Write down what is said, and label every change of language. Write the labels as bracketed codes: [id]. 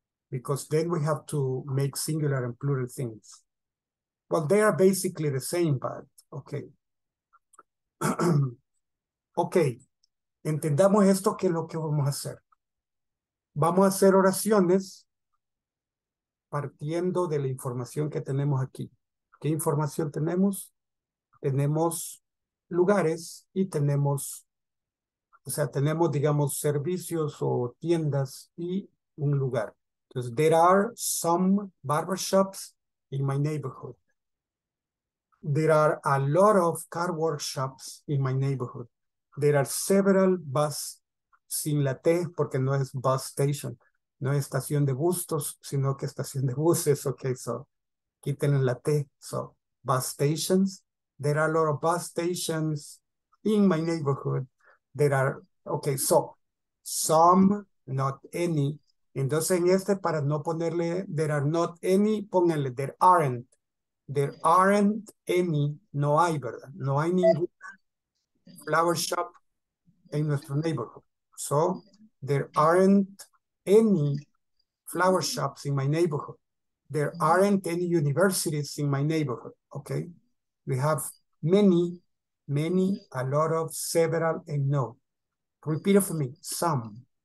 [en] Because then we have to make singular and plural things. Well, they are basically the same, but okay. [es] Okay, entendamos esto, que es lo que vamos a hacer. Vamos a hacer oraciones partiendo de la información que tenemos aquí. ¿Qué información tenemos? Tenemos lugares y tenemos, o sea, tenemos, digamos, servicios o tiendas y un lugar. [en] Entonces, there are some barbershops in my neighborhood. There are a lot of car workshops in my neighborhood. There are several bus, [es] sin la T, porque no es [en] bus station. [es] No es estación de bustos, sino que estación de buses. [en] Okay, so [es] quiten la T. [en] So, bus stations. There are a lot of bus stations in my neighborhood. There are, okay, so, some, not any. [es] Entonces, en este, para no ponerle, [en] there are not any, [es] pónganle, [en] there aren't. There aren't any, [es] no hay, ¿verdad? No hay ningún flower shop en nuestro neighborhood. [en] So, there aren't any flower shops in my neighborhood. There aren't any universities in my neighborhood, okay? We have many, many, a lot of, several, and no. Repeat it for me. Some.